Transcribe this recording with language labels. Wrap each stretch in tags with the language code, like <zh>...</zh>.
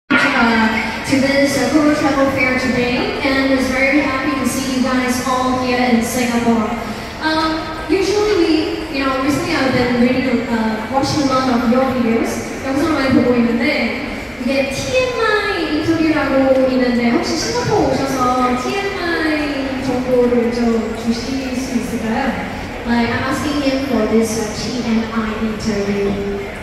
<en>to this Polo Travel Fair today, and was very happy to see you guys all here in Singapore. Usually we, recently I've been reading, watching a lot of your videos.</en> <ko>영상을 많이 보고 있는데, 이게 TMI 인터뷰라고 있는데, 혹시 싱가포르 오셔서 TMI 정보를 좀 주실 수 있을까요?</ko> <en>Like, I'm asking him for this TMI interview.</en>